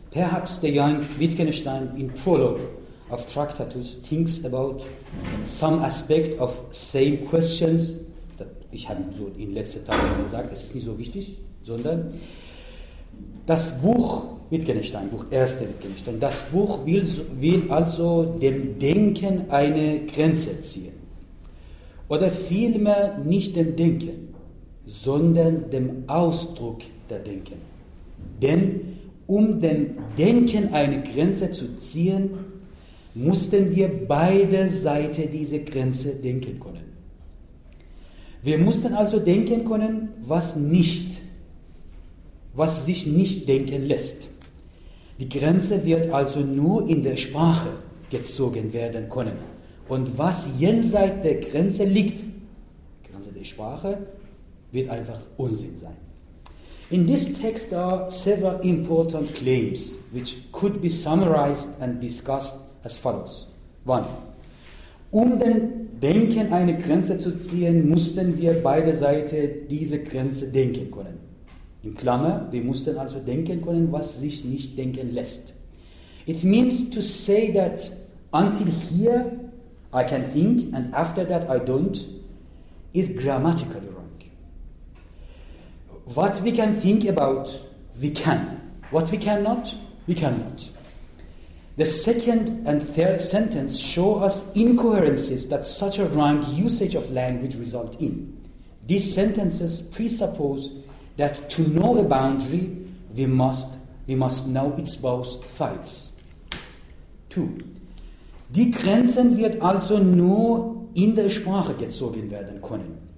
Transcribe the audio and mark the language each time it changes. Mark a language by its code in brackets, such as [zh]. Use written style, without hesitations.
[en] Perhaps the young Wittgenstein in prologue of Tractatus thinks about some aspect of same questions. [de] Ich habe so in letzter Zeit gesagt, das ist nicht so wichtig, sondern das Buch Wittgenstein, Buch 1. Wittgenstein, das Buch will also dem Denken eine Grenze ziehen. Oder vielmehr nicht dem Denken, sondern dem Ausdruck der Denken. Denn um dem Denken eine Grenze zu ziehen, mussten wir beide Seiten diese Grenze denken können. Wir mussten also denken können, was sich nicht denken lässt. Die Grenze wird also nur in der Sprache gezogen werden können. Und was jenseits der Grenze liegt, Grenze der Sprache, wird einfach Unsinn sein. [en] In this text are several important claims, which could be summarized and discussed as follows. 1. [de] Um dem Denken eine Grenze zu ziehen, mussten wir beide Seiten diese Grenze denken können. In Klammer, wir mussten also denken können, was sich nicht denken lässt. [en] It means to say that until here I can think and after that I don't is grammatically wrong. What we can think about, we can. What we cannot, we cannot. The second and third sentence show us incoherences that such a wrong usage of language result in. These sentences presuppose that to know a boundary, we must know its both sides. 2. [de] Die Grenzen wird also nur in der Sprache gezogen werden können.